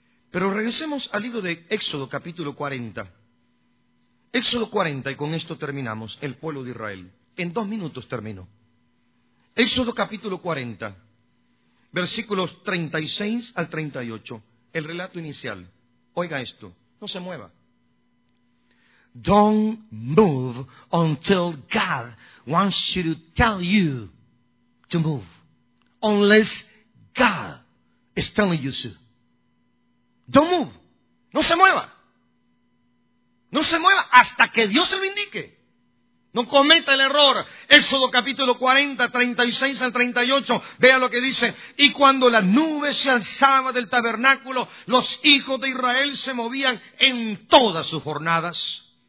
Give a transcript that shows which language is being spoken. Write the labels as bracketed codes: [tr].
[es] Pero regresemos al libro de Éxodo, capítulo 40. Éxodo 40, y con esto terminamos, el pueblo de Israel. En dos minutos terminó. Éxodo, capítulo 40, versículos 36 al 38, el relato inicial. Oiga esto, no se mueva. [en] Don't move until God wants you to tell you to move. Unless God is telling you to. Don't move. [es] No se mueva. No se mueva hasta que Dios se lo indique. No cometa el error. Éxodo capítulo 40, 36 al 38. Vea lo que dice. Y cuando la nube se alzaba del tabernáculo, los hijos de Israel se movían en todas sus jornadas.